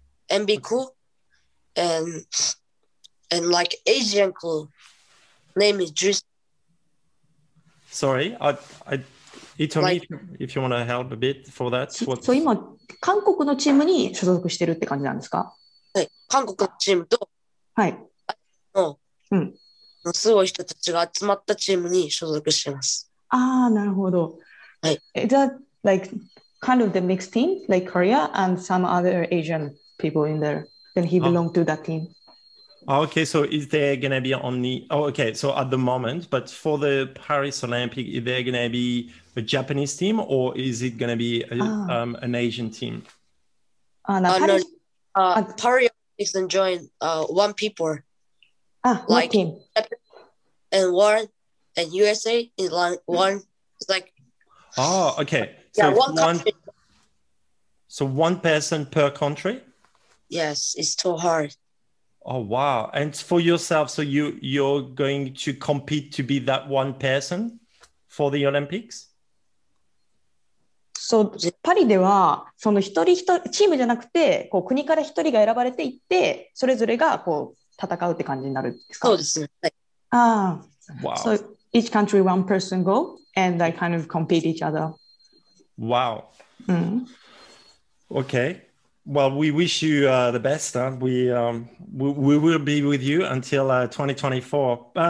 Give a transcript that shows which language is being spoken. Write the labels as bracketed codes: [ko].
[en] MB crew, and like Asian crew, name is Juice. Sorry, I it's on me if you want to help a bit for that. [ja] So, 今、韓国のチームに所属してるって感じなんですか？はい、韓国のチームと、はい。うん。すごい人たちが集まったチームに所属しています。ああ、なるほど。はい。 [en] Is that like kind of the mixed team, like Korea and some other Asian people in there? Then he belong to that team. Okay, so is there gonna be only? Oh, okay. So at the moment, but for the Paris Olympic, is there gonna be a Japanese team or is it gonna be an Asian team? Paris Olympics and join one people. Like team. And one and USA is one like okay. Yeah, so one country. So one person per country? Yes, it's too hard. Oh wow. And for yourself, so you're going to compete to be that one person for the Olympics? [ja] So Paris ではその一人一人チームじゃなくて、こう国から一人が選ばれていって、それぞれがこう戦うって感じになるんですか？そうですね。はい。ああ。 [en] Wow. So each country one person go and they kind of compete each other. Wow. Mm. Okay. Well, we wish you the best. We will be with you until 2024.